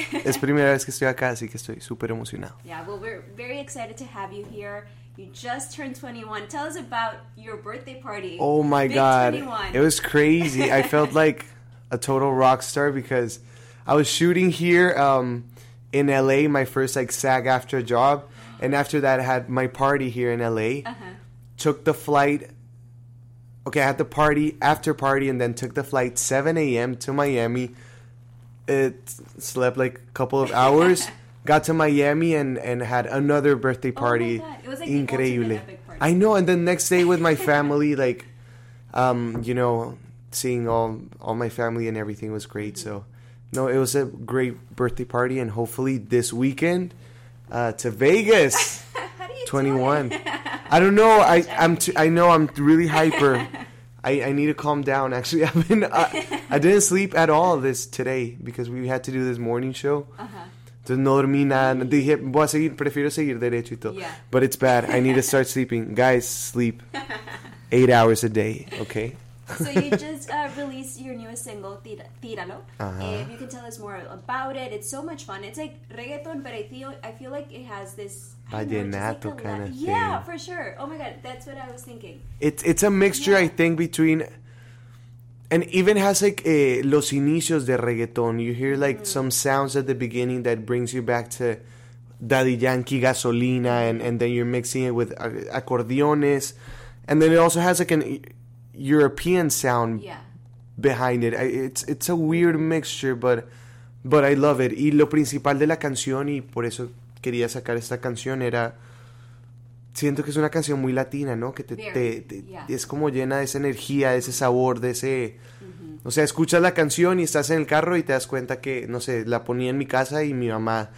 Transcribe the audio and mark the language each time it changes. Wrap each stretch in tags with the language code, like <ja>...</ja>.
<es>Es primera vez que estoy acá, así que estoy súper emocionado.</es> <en>Yeah, well, we're very excited to have you here. You just turned 21. Tell us about your birthday party. Oh my God. Big 21. It was crazy. I felt like a total rock star because I was shooting here in LA, my first like SAG-AFTRA job. And after that, I had my party here in LA. Uh-huh. Took the flight. Okay, I had the party, after party, and then took the flight 7 a.m. to Miami. It slept like a couple of hours. Got to Miami and had another birthday party. Oh my God. It was like the ultimate epic party. I know. And then next day with my family, like, you know, seeing all my family and everything was great. Mm-hmm. So, no, it was a great birthday party. And hopefully this weekend, to Vegas. How do you 21 do it? I don't know. I'm really hyper. I need to calm down. Actually, I didn't sleep at all this today because we had to do this morning show.</en> <es>Uh-huh. No dormí nada. Dije, voy a seguir, prefiero seguir derecho y todo.</es> <en>Yeah. But it's bad. I need to start sleeping. Guys, sleep 8 hours a day, okay? So you just released your newest single, Tíralo. Uh-huh. If you can tell us more about it, it's so much fun. It's like reggaeton, but I feel like it has this... Vallenato like kind of thing. Yeah, for sure. Oh my God, that's what I was thinking. It's a mixture, yeah. I think, between... And even has like</en> <es>los inicios de reggaeton.</es> <en>You hear like some sounds at the beginning that brings you back to Daddy Yankee, Gasolina, and then you're mixing it with acordeones. And then it also has like an... European sound, yeah. Behind it. It's a weird mixture, but I love it.</en> <es>Y lo principal de la canción, y por eso quería sacar esta canción, era... Siento que es una canción muy latina, ¿no? Que te es como llena de esa energía, de ese sabor, de ese... Mm-hmm. O sea, escuchas la canción y estás en el carro y te das cuenta que, no sé, la ponía en mi casa y mi mamá...</es>